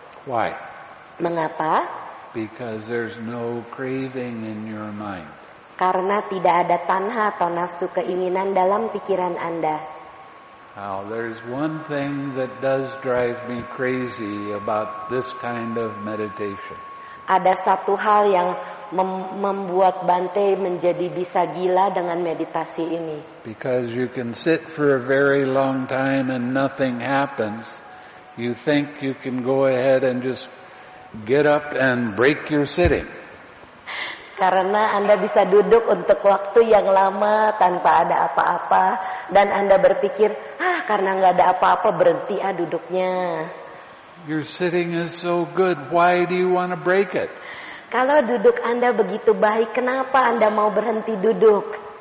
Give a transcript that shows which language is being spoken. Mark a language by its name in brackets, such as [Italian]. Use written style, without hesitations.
[English] Why? [Indonesian] Mengapa? [English] Because there's no craving in your mind. [Indonesian] Karena tidak ada tanha atau nafsu keinginan dalam pikiran Anda. [English] Now, there's one thing that does drive me crazy about this kind of meditation. [Indonesian] Ada satu hal yang membuat Bante menjadi bisa gila dengan meditasi ini. [English] Because you can sit for a very long time and nothing happens, You think you can go ahead and just get up and break your sitting. [Indonesian] Karena Anda bisa duduk untuk waktu yang lama tanpa ada apa-apa. Dan Anda berpikir, ah karena gak ada apa-apa berhenti ah duduknya. [English] Your sitting is so good, why do you want to break it? [Indonesian] Kalau duduk Anda begitu baik, kenapa Anda mau berhenti duduk?